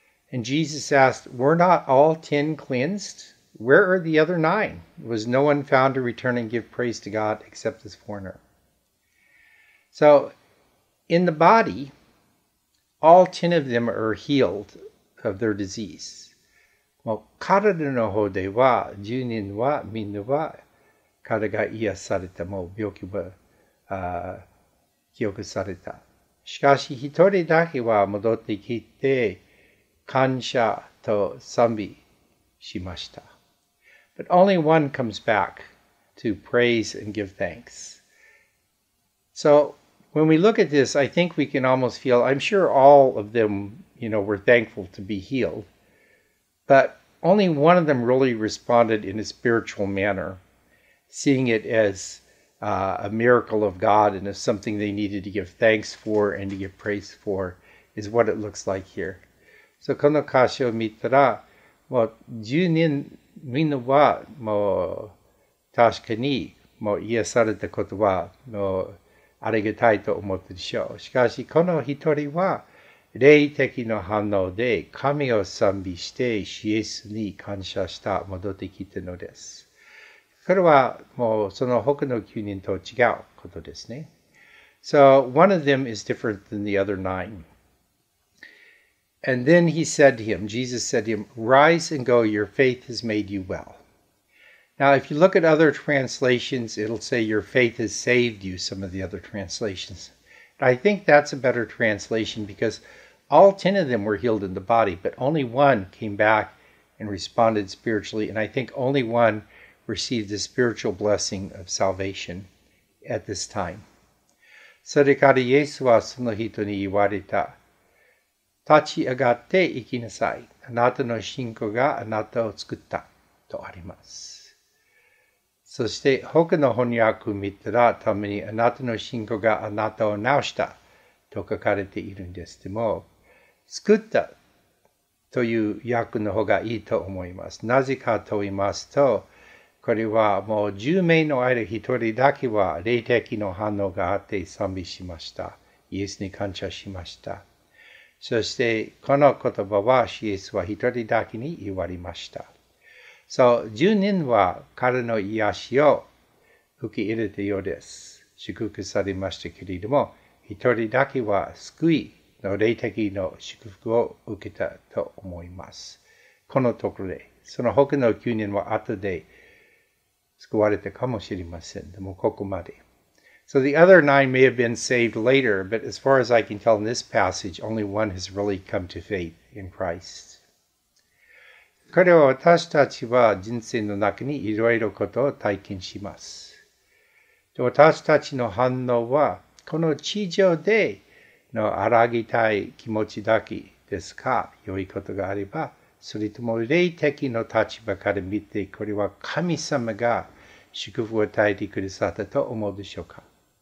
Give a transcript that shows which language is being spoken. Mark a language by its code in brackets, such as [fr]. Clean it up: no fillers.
[en] And Jesus asked, were not all 10 cleansed? Where are the other 9? Was no one found to return and give praise to God except this foreigner? So, in the body, all 10 of them are healed of their disease. [ja] Well, 体 の方では10人はみんなは体が癒されたもう病気は記憶されたしかし一人だけは戻ってきて感謝と賛美しました [en] But only one comes back to praise and give thanks. So when we look at this, I think we can almost feel, I'm sure all of them, you know, were thankful to be healed, but only one of them really responded in a spiritual manner, seeing it as a miracle of God and as something they needed to give thanks for and to give praise for is what it looks like here. [ja] So, この箇所を見たら、もう10人みんなはもう確かにもう癒されたことはもうありがたいと思ったでしょう。しかし、この一人は、霊的な反応で、神を賛美して、イエスに感謝した、戻ってきたのです。これは、もう、その他の9人と違うことですね。 [en] So, one of them is different than the other 9. And then he said to him, Jesus said to him, Rise and go, your faith has made you well. Now, if you look at other translations, it'll say your faith has saved you, some of the other translations. I think that's a better translation because all 10 of them were healed in the body, but only one came back and responded spiritually, and I think only one received the spiritual blessing of salvation at this time. [ja] それからイエスはその人に言われた。立ち上がって行きなさい。あなたの信仰があなたを救った。とあります。そして他の翻訳を見たらためにあなたの信仰があなたを治したと書かれているんですでも救ったという訳の方がいいと思います。なぜかと言いますとこれはもう10名の間一人だけは霊的の反応があって賛美しました。イエスに感謝しました。そしてこの言葉はイエスは一人だけに言われました。 So, 10人は彼の癒しを受け入れたようです。祝福されましたけれども、一人だけは救いの霊的の祝福を受けたと思います。このところで、その他の9人は後で救われたかもしれません。でもここまで。 [en] So, the other 9 may have been saved later, but as far as I can tell in this passage, only one has really come to faith in Christ. [ja] これは私たちは人生の中にいろいろことを体験します。私たちの反応は、この地上でのあらぎたい気持ちだけですか、良いことがあれば、それとも霊的の立場から見て、これは神様が祝福を与えてくださったと思うでしょうか。